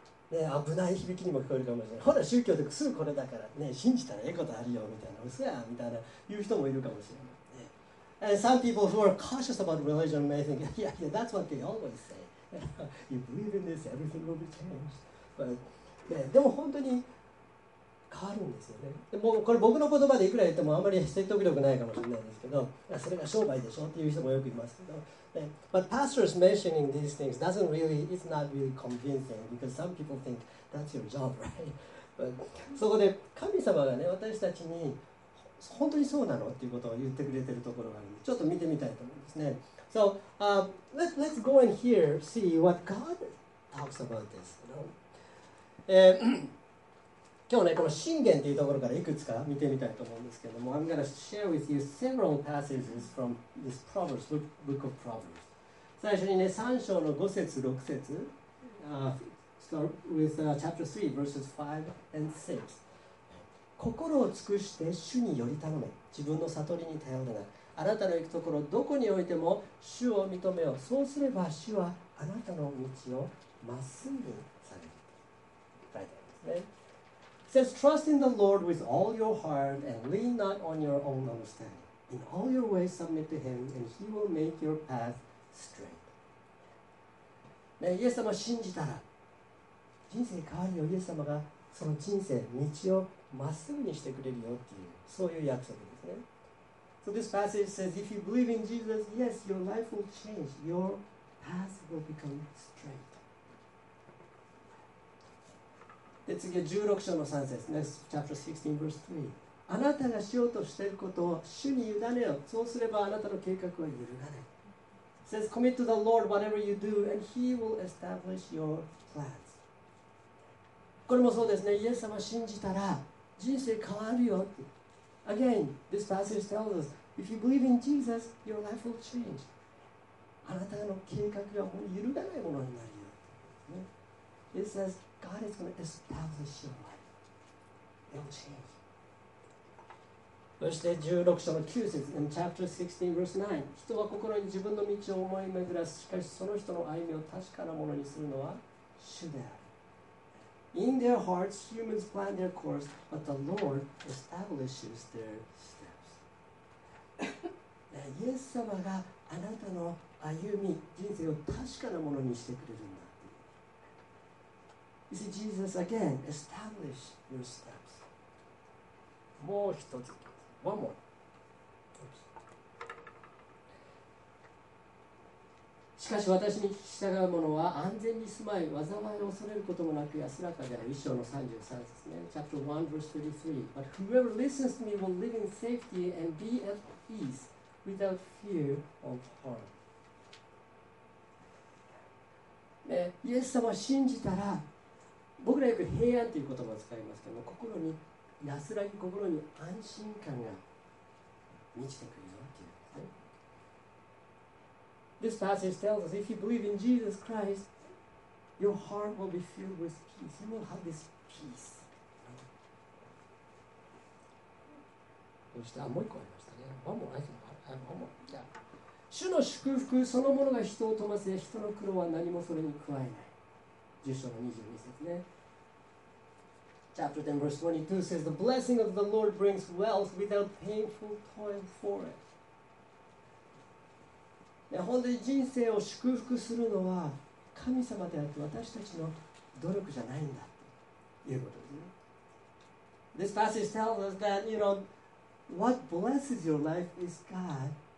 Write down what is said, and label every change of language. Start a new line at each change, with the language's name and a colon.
Japanese: ね、危ない響きにも聞こえるかもしれない。ほら宗教ってすぐこれだからね、信じたらええことあるよみたいな、嘘やみたいな言う人もいるかもしれない、ね。
English: And some people who are cautious about religion may think, yeah, yeah, that's what they always say. You believe in this, everything will be changed.
Japanese: But,、ね、でも本当に変わるんですよね。でもこれ僕の言葉でいくら言ってもあまり説得力ないかもしれないんですけど、それが商売でしょっていう人もよくいますけど。
English: But pastors mentioning these things doesn't really, it's not really convincing because some people think that's your job, right? But,
Japanese: そこで神様がね、私たちに本当にそうなのっていうことを言ってくれてるところがあるんで、ちょっと見てみたいと思うんですね。
English: So, let's go in here, see what God talks about this. You know?
Japanese: 今日ね、この箴言っていうところからいくつか見てみたいと思うんですけども、
English: I'm going to share with you several passages from this Proverbs, book of Proverbs.
Japanese: 最初にね、3章の5節、6節、
English: start with chapter 3, verses 5 and 6.
Japanese: 心を尽くして主により頼め、自分の悟りに頼るな。あなたの行くところ、どこにおいても主を認めよう。そうすれば主はあなたの道をまっすぐされる。書いてありますね。
English: It says, trust in the Lord with all your heart and lean not on your own understanding. In all your ways submit to him and he will make your path straight.、
Japanese: ね、イエス様を信じたら人生変わるよ。イエス様がその人生、道をまっすぐにしてくれるよっていう、そういう約束ですね。
English: So this passage says, if you believe in Jesus, yes, your life will change. Your path will become straight.
Japanese: で次は16章の3節、
English: Next chapter 16 verse 3。
Japanese: あなたがしようとしていることを主に委ねよ。そうすればあなたの計画は揺るがない。
English: Says commit to the Lord whatever you do and He will establish your plans。
Japanese: これもそうですね。イエス様信じたら人生変わるよって。
English: Again, this passage tells us if you believe in Jesus, your life will change。
Japanese: あなたの計画が揺るがないものになるよ。
English: It says。 God is going to establish your life. It'll change.
Japanese: そして16章の9節、
English: in chapter 16 verse 9。
Japanese: 人は心に自分の道を思い巡らす。しかしその人の歩みを確かなものにするのは主である。
English: In their hearts, humans plan their course, but the Lord establishes their steps.
Japanese: イエス様があなたの歩み、人生を確かなものにしてくれるんだ。
English: You see, Jesus again, establish your steps.
Japanese: もう一つ。
English: One more.
Japanese: しかし私に従う者は安全に住まい、災いを恐れることもなく安らかである。一章の33ですね。
English: Chapter 1 verse 33. But whoever listens to me will live in safety and be at peace without fear of harm.
Japanese: イエス様を信じたら、僕らよく平安という言葉を使いますけども、心に安らぎ、心に安心感が満ちてくるよっていう。
English: This passage tells us if you believe in Jesus Christ, your heart will be filled with peace. You will have this peace.
Japanese: そしてもう一個ありましたね。
English: One more, I think. One more. Yeah.
Japanese: 主の祝福そのものが人を富ませ、人の苦労は何もそれに加えない。 10章の22節ね。
English: Chapter 10 verse 22 says, The blessing of the Lord brings wealth without painful toil for it.
Japanese: 本当に人生を祝福するのは神様であって私たちの努力じゃないんだということですね。
English: This passage tells us that, you know, what blesses your life is God.